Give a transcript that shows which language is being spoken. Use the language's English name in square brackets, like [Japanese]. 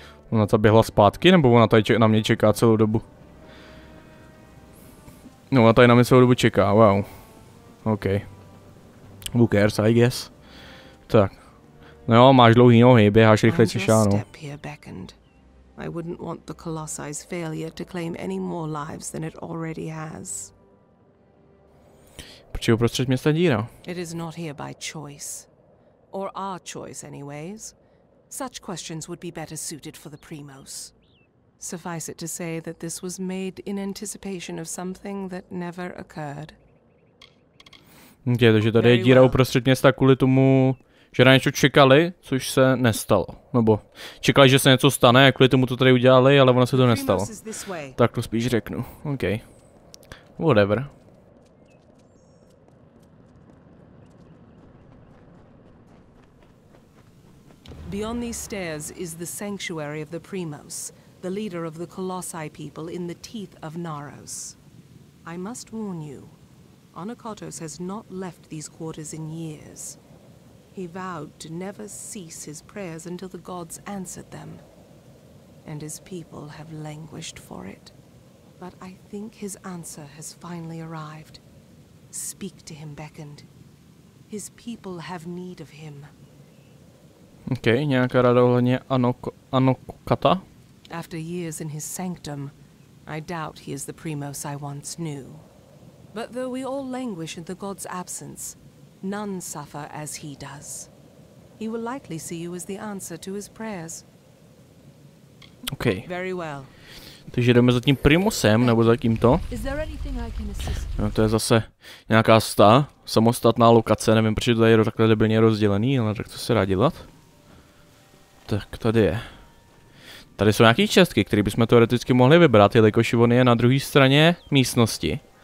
[Czech] Ona ta běhla zpátky, nebo ona tady na mě čeká celou dobu? No, ona tady na mě celou dobu čeká, wow. OK. [English] Who cares, I guess. [Czech] Tak. No jo, máš dlouhý nohy, běháš rychle cešánu. [English] I wouldn't want the Colossi's failure to claim any more lives than it already has. [Czech] Proč je uprostřed města díra? [English] It is not here by choice. Or our choice anyways. Such questions would be better suited for the Primos. Suffice it to say that this was made in anticipation of something that never occurred. [Czech] Takže tady je díra uprostřed města kvůli tomu, že na něco čekali, což se nestalo. Nebo čekali, že se něco stane, kvůli tomu to tady udělali, ale ono se to nestalo. Tak to spíš řeknu. OK. Whatever. [English] Beyond these stairs is the sanctuary of the Primos. The leader of the Colossi people in the teeth of Naros. I must warn you, Onokotos has not left these quarters in years. He vowed to never cease his prayers until the gods answered them. And his people have languished for it. But I think his answer has finally arrived. Speak to him, Beckend. His people have need of him. [Czech] Okej, okay, nějaká rada ohledně Anokata? [English] After years in his sanctum, I doubt he is the Primos I once knew. But though we all languish in the god's absence, none suffer as he does. He will likely see you as the answer to his prayers. Okay. Very well. [Czech] Takže jdeme za tím Primusem, nebo za kým to? No, to je zase nějaká samostatná lokace, nevím, proč je to tady takhle debilně rozdělený, ale tak to se dá dělat. Tak tady je. Tady jsou nějaký čestky, které bychom teoreticky mohli vybrat, jelikož on je na druhé straně místnosti.